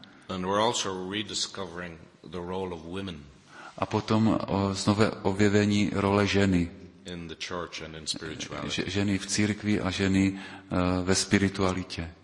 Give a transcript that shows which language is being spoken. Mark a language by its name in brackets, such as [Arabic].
[English] And we're also rediscovering the role of women. [Czech] A potom znovu objevení role ženy. [English] In the church and in spirituality. [Czech] Ženy v církvi a ženy ve spiritualitě.